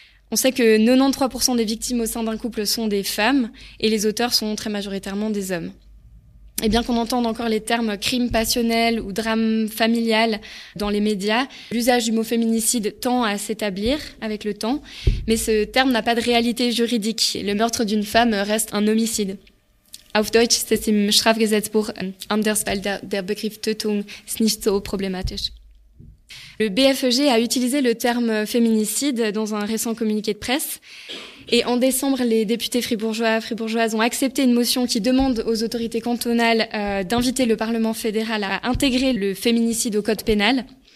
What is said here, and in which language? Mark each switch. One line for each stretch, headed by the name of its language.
French: On sait que 93% des victimes au sein d'un couple sont des femmes et les auteurs sont très majoritairement des hommes. Et bien qu'on entende encore les termes « crime passionnel » ou « drame familial » dans les médias, l'usage du mot « féminicide » tend à s'établir avec le temps, mais ce terme n'a pas de réalité juridique. Le meurtre d'une femme reste un homicide.
German: Auf Deutsch,
French: c'est
German: im Strafgesetzbuch anders, weil der Begriff Tötung ist nicht so problematisch.
French: Le BFEG a utilisé le terme féminicide dans un récent communiqué de presse. Et en décembre, les députés fribourgeois ont accepté une motion qui demande aux autorités cantonales d'inviter le Parlement fédéral à intégrer le féminicide au code pénal.